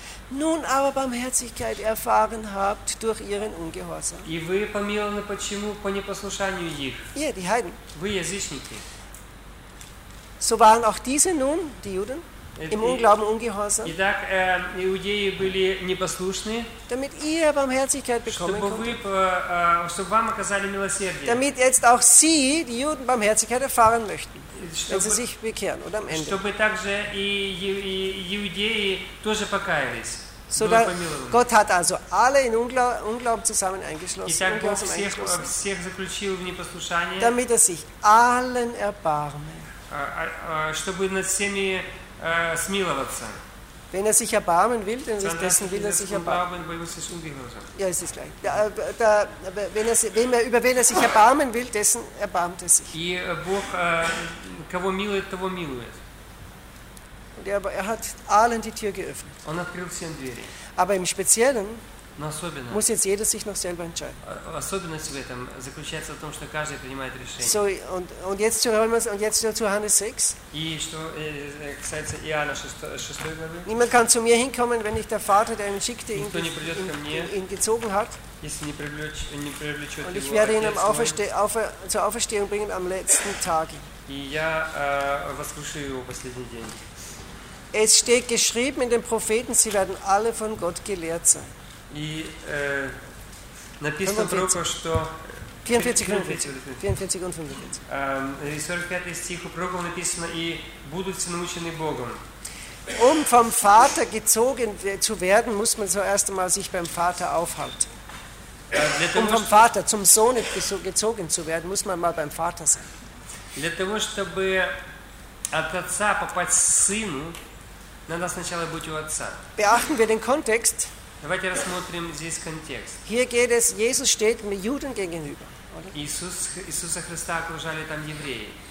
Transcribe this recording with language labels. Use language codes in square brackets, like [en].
[de] Nun aber Barmherzigkeit erfahren habt durch ihren Ungehorsam. [ru] И вы помилованы почему? По непослушанию их. [de] Ja, die Heiden. [ru] Вы язычники. [de] So waren auch diese nun, die Juden, im Unglauben ungehorsam. [ru] Итак, иудеи были непослушны. [de] Damit ihr Barmherzigkeit bekommen könnt. [ru] Чтобы вам оказали милосердие. [de] Damit jetzt auch sie, die Juden, Barmherzigkeit erfahren möchten. Wenn sie sich bekehren oder am Ende. [ru] Чтобы также и иудеи тоже покаялись. [de] So da, Gott hat also alle in Unglauben zusammen eingeschlossen. [ru] Итак, Бог всех заключил в непослушание. [de] Damit er sich allen erbarme. [ru] Чтобы над всеми смиловаться. [de] Wenn er sich erbarmen will, dann ist dessen will er sich erbarmen. Ja, ist es gleich. Über wen er sich erbarmen will, dessen erbarmt er sich. [ru] И Бог кого милует, того милует. [de] Und er hat allen die Tür geöffnet. [ru] Он открыл всем двери. [de] Aber im Speziellen muss jetzt jeder sich noch selber entscheiden. [ru] Особенность в этом заключается в том, что каждый принимает решение. [de] So, und jetzt zu Römer, und jetzt zu Johannes 6. [ru] И что касается Иоанна 6 главы. [de] Niemand kann zu mir hinkommen, wenn nicht der Vater, der ihn schickte, ihn gezogen hat. Und ich werde ihn zur Auferstehung bringen am letzten Tag. [ru] И я воскрешу его последний день. [de] Es steht geschrieben in den Propheten, sie werden alle von Gott gelehrt sein. [ru] И написано пророку, что... 45 секунд. 45 стих у пророков написано, и будут научены Богом. [de] Um vom Vater gezogen zu werden, muss man zuerst einmal sich beim Vater aufhalten. Um vom Vater zum Sohn gezogen zu werden, muss man mal beim Vater sein. [ru] Для того, чтобы от отца попасть к сыну, надо сначала быть у отца. [de] Beachten wir den Kontext. [ru] Давайте рассмотрим здесь контекст. [de] Hier geht es, Jesus steht mit Juden gegenüber. [ru] Иисуса Христа окружали там евреи.